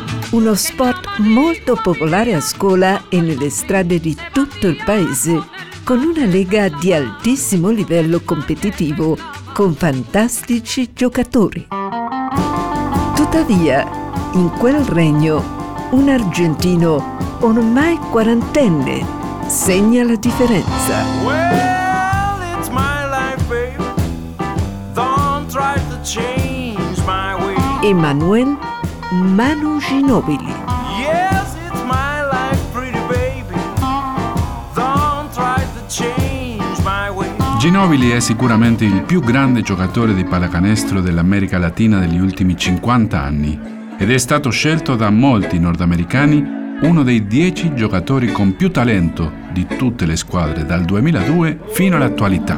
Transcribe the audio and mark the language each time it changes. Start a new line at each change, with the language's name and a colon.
Italian: Uno sport molto popolare a scuola e nelle strade di tutto il paese, con una lega di altissimo livello competitivo, con fantastici giocatori. Tuttavia, in quel regno, un argentino ormai quarantenne segna la differenza.
English: Well, it's my life, baby. Don't try to change my way. Emmanuel Manu Ginobili. Yes, it's my life, pretty baby. Don't try to change my way.
Italian: Ginobili è sicuramente il più grande giocatore di pallacanestro dell'America Latina degli ultimi 50 anni ed è stato scelto da molti nordamericani uno dei 10 giocatori con più talento di tutte le squadre dal 2002 fino all'attualità.